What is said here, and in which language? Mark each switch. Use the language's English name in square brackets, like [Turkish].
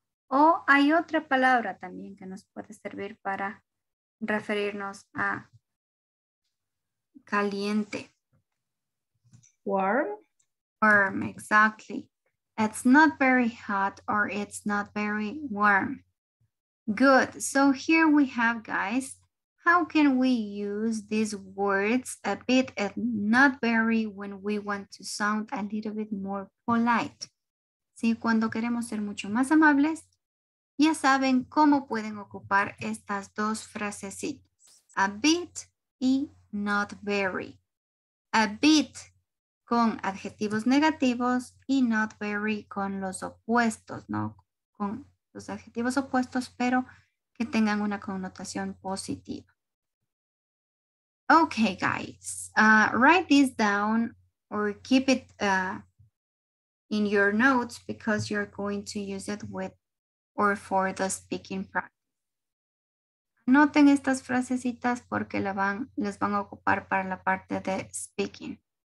[Spanish] O hay otra palabra también que nos puede servir para referirnos a caliente. [English] Warm. Warm, exactly. It's not very hot or it's not very warm. Good. So here we have, guys, How can we use these words a bit and not very when we want to sound a little bit more polite? [Spanish] Sí, cuando queremos ser mucho más amables, ya saben cómo pueden ocupar estas dos frasecitas. A bit y not very. A bit con adjetivos negativos y not very con los opuestos, ¿no? Con los adjetivos opuestos, pero que tengan una connotación positiva. [English] Okay, guys, write this down or keep it in your notes because you're going to use it with or for the speaking practice. [Spanish] Anoten estas frasecitas porque les van a ocupar para la parte de speaking.